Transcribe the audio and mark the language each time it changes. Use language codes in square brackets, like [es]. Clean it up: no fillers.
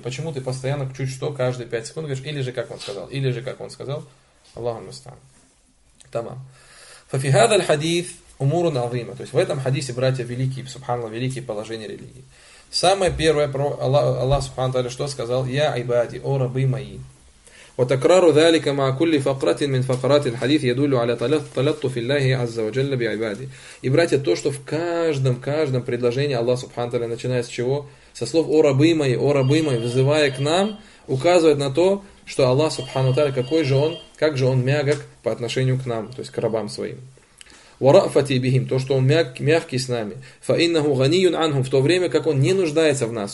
[ru] Почему ты постоянно чуть что, каждые 5 секунд говоришь, или же как он сказал, или же как он сказал, Аллаху мустаан. Тамам. [ar] ففي هذا الحديث أمور عظيمة. [ru] То есть в этом хадисе, братья, великие, субханаллах, великие положения религии. Самое первое, Аллах Субхану Тааля что сказал? [ar] «Я айбади, [ru] о рабы мои». [ar] وتكرار ذلك مع كل فقرة من فقرات الحديث يدل على تلطف الله عز وجل بعباده. [ru] И братья, то, что в каждом предложении Аллах Субхану Тааля, начиная с чего? Со слов о рабы мои, вызывая к нам, указывает на то, что Аллах Субхану Тааля, какой же он, как же он мягок по отношению к нам, то есть к рабам своим. [ar] ورأفتي بهم, [ru] то, что он мягкий с нами. [ar] فإنه غني عنهم, [ru] в то время как он не нуждается в нас.